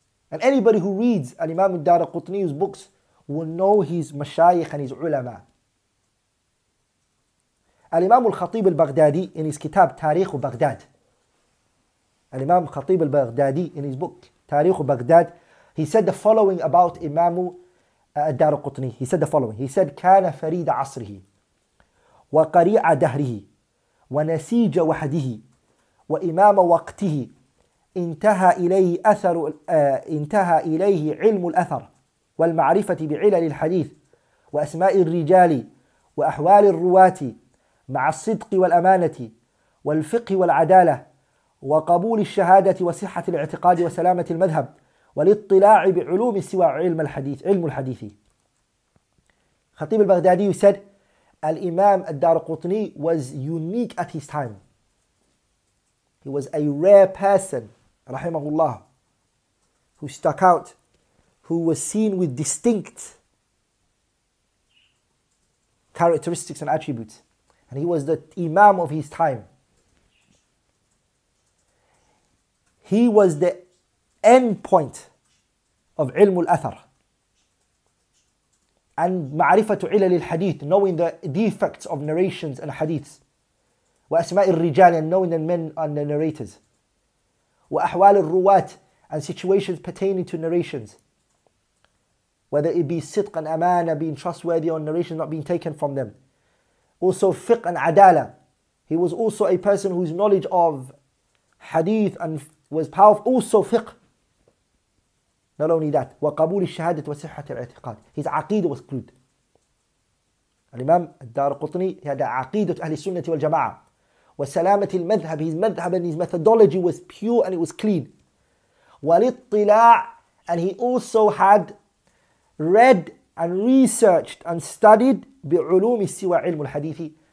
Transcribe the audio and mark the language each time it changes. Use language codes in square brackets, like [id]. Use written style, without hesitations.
[en] And anybody who reads an Imam Daraqutni's books will know his mashayikh and his ulama. Al-Imam al-Khatib al-Baghdadi in his kitab Tariq al-Baghdad. Al-Imam al-Khatib al-Baghdadi in his book Tariq al-Baghdad, he said the following about Imam al-Daraqutni. He said the following. He said, [ar] "Kana farida asrihi. وقريع دهره ونسيج وحده وإمام وقته انتهى إليه أثر انتهى إليه علم الأثر والمعرفة بعلل الحديث وأسماء الرجال وأحوال الرواة مع الصدق والأمانة والفقه والعدالة وقبول الشهادة وصحة الاعتقاد وسلامة المذهب والاطلاع بعلوم سوى علم الحديث علم الحديث." [en] خطيب البغدادي said, Al-Imam al-Daraqutni was unique at his time. He was a rare person, rahimahullah, who stuck out, who was seen with distinct characteristics and attributes. And he was the Imam of his time. He was the end point of ilm al-athar and ma'rifatu ilal al-hadith, knowing the defects of narrations and hadiths. Wa asma' al-rijal, and knowing the men and the narrators. Wa ahwal al-ruwat, and situations pertaining to narrations. Whether it be sidq and amana, being trustworthy, or narration not being taken from them. Also fiqh and adala. He was also a person whose knowledge of hadith and was powerful. Also fiqh. Not only that, [ar] وقبول الشهادة وصحة الاعتقاد. [en] His aqeeda was good. Al-Imam al-Daraqutni, he had the aqeeda to Ahli Sunnah wal Jama'ah. [ar] وسلامة المذهب, [en] his madhab and his methodology was pure and it was clean. [ar] والاطلاع, [en] and he also had read and researched and studied [ar] بعلوم سوى علم الحديث.